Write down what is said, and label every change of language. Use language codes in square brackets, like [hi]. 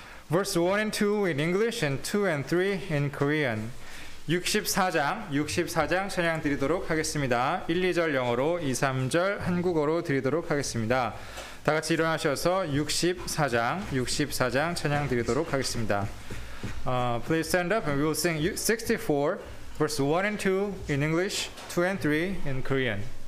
[en] Verse 1 and 2 in English and 2 and 3 in Korean. [ko] 64장 찬양 드리도록 하겠습니다. 1, 2절 영어로, 2, 3절 한국어로 드리도록 하겠습니다. 다 같이 일어나셔서 64장 찬양 드리도록 하겠습니다. [en] Please stand up and we will sing 64, verse 1 and 2 in English, 2 and 3 in Korean.